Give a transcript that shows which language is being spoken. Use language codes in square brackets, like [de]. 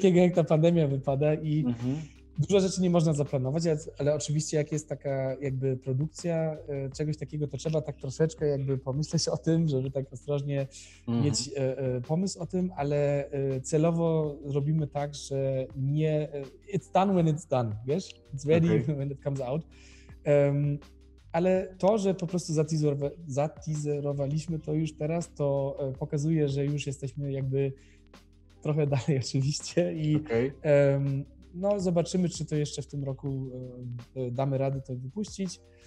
[pl] takiego jak ta pandemia wypada i dużo rzeczy nie można zaplanować, ale oczywiście jak jest taka jakby produkcja czegoś takiego, to trzeba tak troszeczkę jakby pomyśleć o tym, żeby tak ostrożnie mieć pomysł o tym, ale celowo robimy tak, że nie... [en] It's done when it's done, [pl] wiesz? [en] It's ready when it comes out. [pl] Ale to, że po prostu zateaserowaliśmy to już teraz, to pokazuje, że już jesteśmy jakby trochę dalej oczywiście i... No, zobaczymy, czy to jeszcze w tym roku damy radę to wypuścić.